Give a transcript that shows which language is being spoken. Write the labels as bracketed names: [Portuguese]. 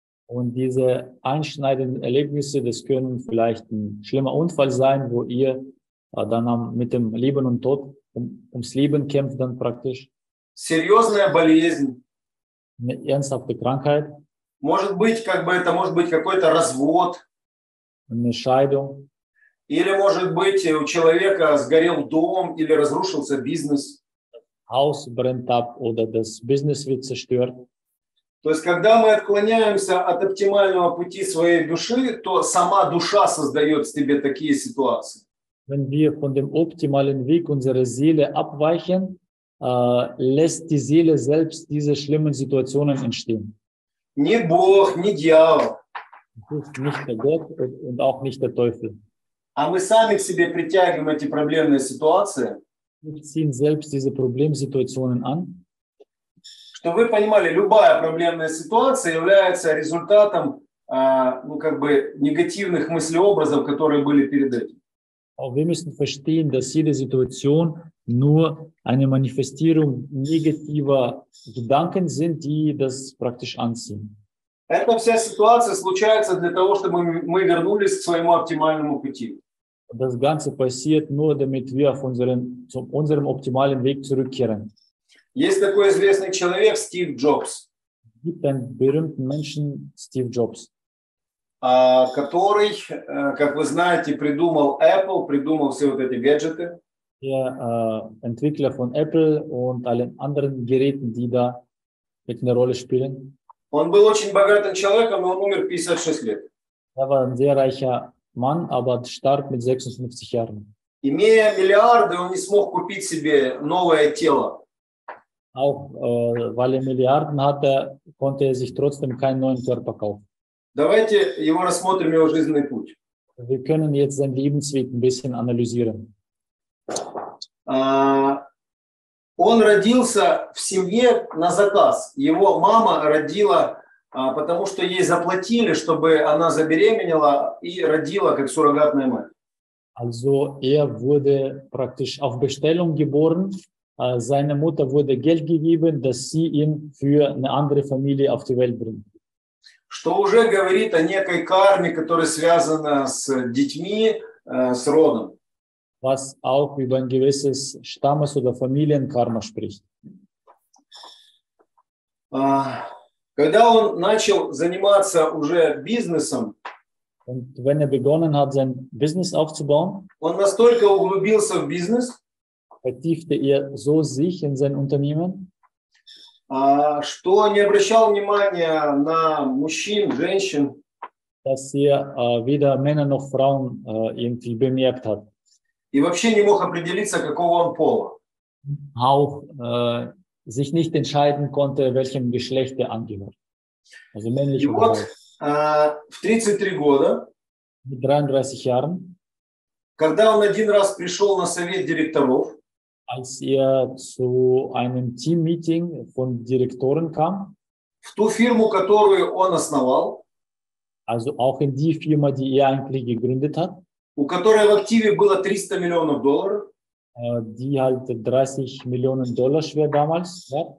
[German] Und diese einschneidenden Erlebnisse, das können vielleicht ein schlimmer Unfall sein, wo ihr dann mit dem Leben und Tod ums Leben kämpft dann praktisch. [Russian] Серьезная болезнь. [German] Eine ernsthafte Krankheit. [Russian] Может быть, как бы это может быть какой-то развод. [German] Eine Scheidung. [Russian] Или, может быть, у человека сгорел дом или разрушился бизнес. [German] Haus brennt ab oder das Business wird zerstört. [Russian] То есть, когда мы отклоняемся от оптимального пути своей души, то сама душа создает себе такие ситуации. [German] Wenn wir von dem optimalen Weg unserer Seele abweichen, lässt die Seele selbst diese schlimmen Situationen entstehen. [Russian] Ни Бог, ни дьявол. [German] Nicht der Gott und auch nicht der Teufel. [Russian] А мы сами к себе притягиваем эти проблемные ситуации. Мы [German] ziehen selbst diese Problemsituationen an. [Russian] Чтобы вы понимали, любая проблемная ситуация является результатом негативных мыслеобразов, которые были перед этим. [German] Auch wir müssen verstehen, dass jede Situation nur eine Manifestierung negativer Gedanken sind, die das praktisch anziehen. [Russian] Эта вся ситуация случается для того, чтобы мы вернулись к своему оптимальному пути. [German] Das Ganze passiert nur, damit wir auf unserem optimalen Weg zurückkehren. [Russian] Есть такой известный человек Стив Джобс. [German] Gibt einen berühmten Menschen Steve Jobs. [Russian] Который, как вы знаете, придумал Apple, придумал все вот эти гаджеты. [German] Der Entwickler von Apple und allen anderen Geräten, die da mit einer Rolle spielen. [Russian] Он был очень богатым человеком, но он умер 56 лет. [German] Er war ein sehr reicher Mann, aber starb mit 56 Jahren. [Russian] Имея миллиарды, он не смог купить себе новое тело. [German] Auch weil er Milliarden hatte, konnte er sich trotzdem keinen neuen Körper kaufen. [Russian] Давайте его рассмотрим, его жизненный путь. [German] Wir können jetzt seinen Lebensweg ein bisschen analysieren. [Russian] Он родился в семье на заказ. Его мама родила, потому что ей заплатили, чтобы она забеременела и родила как суррогатная мать. [German] Also wurde praktisch auf Bestellung geboren. Seine Mutter wurde Geld gegeben, dass sie ihn für eine andere Familie auf die Welt bringt. [Russian] что уже говорит о некой карме, которая связана с детьми, с родом. [German] Was auch über ein gewisses Stammes- oder Familienkarma spricht. [Russian] Когда он начал заниматься уже бизнесом, [German] und wenn er begonnen hat, sein Business aufzubauen, [Russian] он настолько углубился в бизнес, [German] vertiefte er so sich in sein Unternehmen, [Russian] что не обращал внимания на мужчин, женщин, [German] dass er weder Männer noch Frauen irgendwie bemerkt hat. [Russian] И вообще не мог определиться, какого он пола. [German] Auch sich nicht entscheiden konnte, welchem Geschlecht er angehört. Also männlich oder weiblich. [Russian] В 33 года, [German] mit 33 Jahren, [Russian] когда он один раз пришел на совет директоров, [German] als er zu einem Team-Meeting von Direktoren kam, [Russian] в ту фирму, которую он основал, [German] also auch in die Firma, die er eigentlich gegründet hat, [Russian] у которой в активе было 300 миллионов долларов, [German] die halt 30 Millionen Dollar schwer damals, ja,